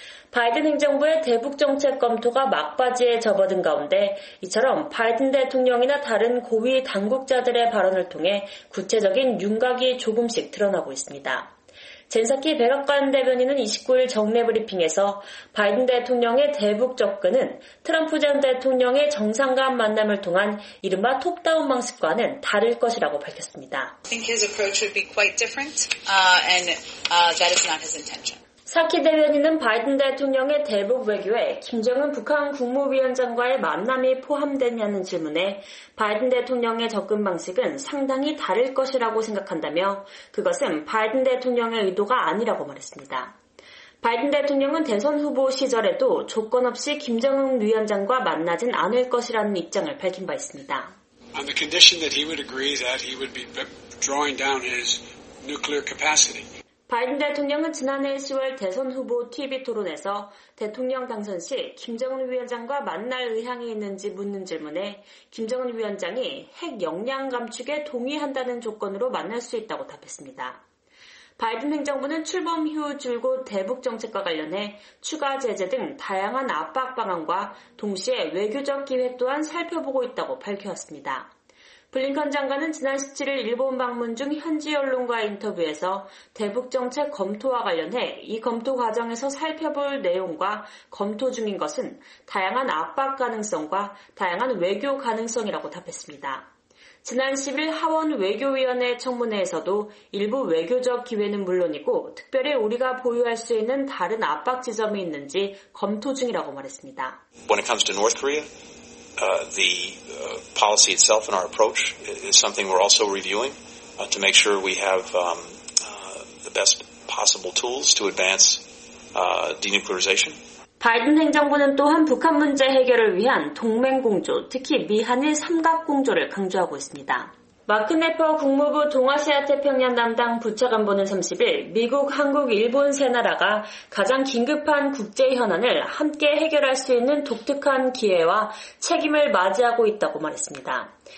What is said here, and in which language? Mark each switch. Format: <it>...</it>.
<ko>바이든 행정부의 대북 정책 검토가 막바지에 접어든 가운데 이처럼 바이든 대통령이나 다른 고위 당국자들의 발언을 통해 구체적인 윤곽이 조금씩 드러나고 있습니다. 젠사키 백악관 대변인은 29일 정례 브리핑에서 바이든 대통령의 대북 접근은 트럼프 전 대통령의 정상 간 만남을 통한 이른바 톱다운 방식과는 다를 것이라고 밝혔습니다.</ko> <en>I think his approach would be quite different, that is not his intention.</en> <ko>사키 대변인은 바이든 대통령의 대북 외교에 김정은 북한 국무위원장과의 만남이 포함됐냐는 질문에 바이든 대통령의 접근 방식은 상당히 다를 것이라고 생각한다며 그것은 바이든 대통령의 의도가 아니라고 말했습니다. 바이든 대통령은 대선 후보 시절에도 조건 없이 김정은 위원장과 만나진 않을 것이라는 입장을 밝힌 바 있습니다.</ko> <en>On the condition that he would agree that he would be drawing down his nuclear capacity.</en> <ko>바이든 대통령은 지난해 10월 대선 후보 TV 토론에서 대통령 당선 시 김정은 위원장과 만날 의향이 있는지 묻는 질문에 김정은 위원장이 핵 역량 감축에 동의한다는 조건으로 만날 수 있다고 답했습니다. 바이든 행정부는 출범 후 줄곧 대북 정책과 관련해 추가 제재 등 다양한 압박 방안과 동시에 외교적 기획 또한 살펴보고 있다고 밝혀왔습니다. 블링컨 장관은 지난 17일 일본 방문 중 현지 언론과의 인터뷰에서 대북 정책 검토와 관련해 이 검토 과정에서 살펴볼 내용과 검토 중인 것은 다양한 압박 가능성과 다양한 외교 가능성이라고 답했습니다. 지난 10일 하원 외교위원회 청문회에서도 일부 외교적 기회는 물론이고 특별히 우리가 보유할 수 있는 다른 압박 지점이 있는지 검토 중이라고 말했습니다.</ko> <en>When it comes to North Korea, policy itself and our approach is something we're also reviewing to make sure we have the best possible tools to advance denuclearization.</en> <ko>바이든 행정부는 또한 북한 문제 해결을 위한 동맹 공조, 특히 미한일 삼각 공조를 강조하고 있습니다. 마크 네퍼 국무부 동아시아태평양 담당 부차관보는 30일 미국, 한국, 일본 세 나라가 가장 긴급한 국제 현안을 함께 해결할 수 있는 독특한 기회와 책임을 맞이하고 있다고 말했습니다.</ko>